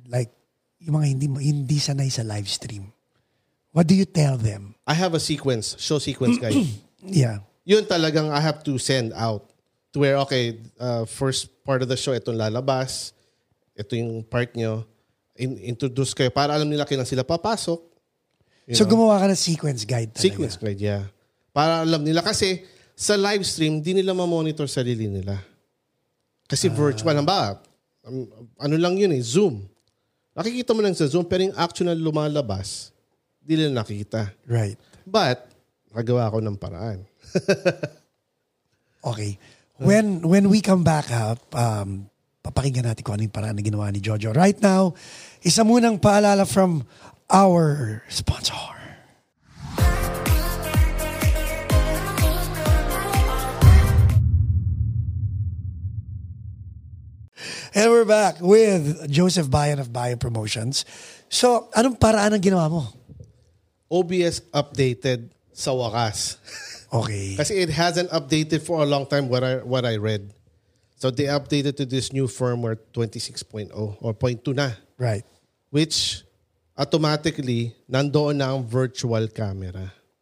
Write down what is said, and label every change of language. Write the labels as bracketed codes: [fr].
[tl] Like, yung mga hindi sanay sa live stream. [en] What do you tell them? I have a sequence, show sequence, guys. Yeah. [tl] Yun talagang [en] I have to send out to where, okay, first part of the show, [tl] itong lalabas, ito yung part nyo, introduce kayo para alam nila kailan sila papasok. So, gumawa ka ng sequence guide talaga? [en] Sequence guide, yeah. [tl] Para alam nila kasi sa live stream, di nila mamonitor sarili nila. Kasi virtual, ba? Ano lang yun eh, Zoom. Nakikita mo lang sa Zoom, pero yung actual lumalabas, di nila nakikita. [en] Right. [tl] But, nagawa ako ng paraan. Okay. [en] When we come back up, [tl] papakinggan natin kung ano yung paraan na ginawa ni Jojo. [en] Right now, [tl] isa munang paalala [en] from our sponsor. And we're back with Joseph Bayan of Bayan Promotions. [tl] So, anong paraan ang ginawa mo? OBS updated sa wakas. [en] Okay. Kasi it hasn't updated for a long time what I read. So, they updated to this new firmware 26.0 or 0.2 na. Right. Which, automatically, [tl] nandoon na ang [en] virtual camera.